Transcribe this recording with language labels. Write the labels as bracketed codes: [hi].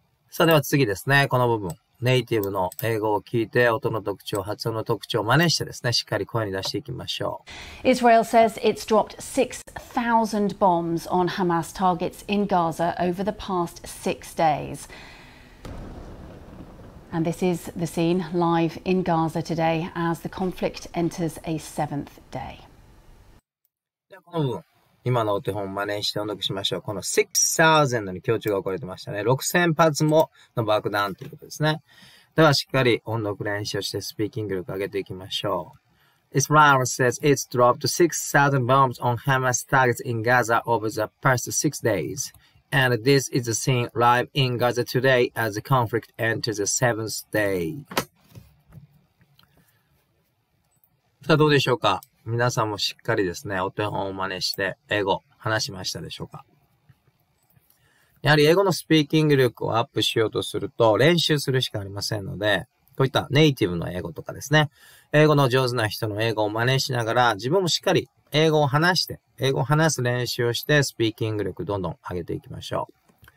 [ja] さあでは次ですね、この部分。ネイティブの英語を聞いて音の特徴、発音の特徴を真似してですね、しっかり声に出していきましょう。 [en] Israel says it's dropped 6,000 bombs on Hamas targets in Gaza over the past 6 days. And this is the scene live in Gaza today as the conflict enters a 7th day. [ja] ではこの部分、今のお手本を真似して音読しましょう。この6,000 に強調が起こりましたね。 6,000 発もの爆弾ということですね。ではしっかり音読練習をしてスピーキング力を上げていきましょう。 [en] Israel says it's dropped 6,000 bombs on Hamas targets in Gaza over the past 6 days. And this is the scene live in Gaza today as the conflict enters the seventh day. [ja] さあどうでしょうか。皆さんもしっかりですね、お手本を真似して英語話しましたでしょうか。やはり英語のスピーキング力をアップしようとすると練習するしかありませんので、こういったネイティブの英語とかですね、英語の上手な人の英語を真似しながら自分もしっかり英語を話して、英語を話す練習をして、スピーキング力どんどん上げていきましょう。